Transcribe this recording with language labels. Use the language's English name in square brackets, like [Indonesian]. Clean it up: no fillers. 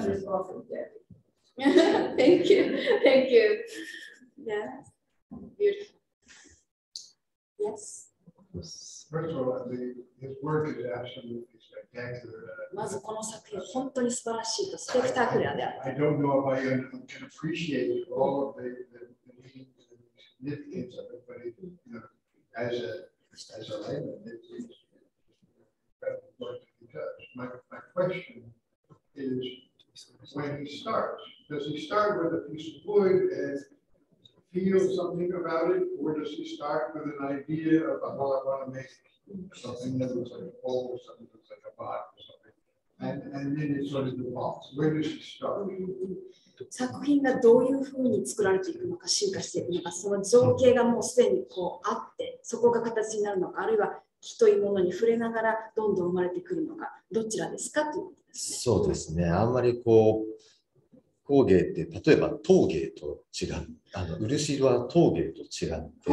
[English] Thank you. Thank you. Yeah. Beautiful. Yes. First of all, his work is absolutely spectacular. [Japanese] まずこの作品本当に素晴らしいとスペクタクルである [English] I don't know if I can appreciate all of the significance of it, but you know, as a layman, it's incredible work to be touched. My question. Is when he starts. Does he start with a piece of wood and feel something about it, or does he start with an idea of how I want to make something that looks like a bowl or something that looks like a pot or something? And then it sort of evolves. Where does he start? [Japanese] 作品がどういうふうに作られていくのか、進化していくのか、その造形がもうすでにこうあって、そこが形になるのか、あるいは木というものに触れながらどんどん生まれてくるのか、どちらですかということですね。そうですね。あんまりこう工芸って例えば陶芸と違う、あの漆は陶芸と違って。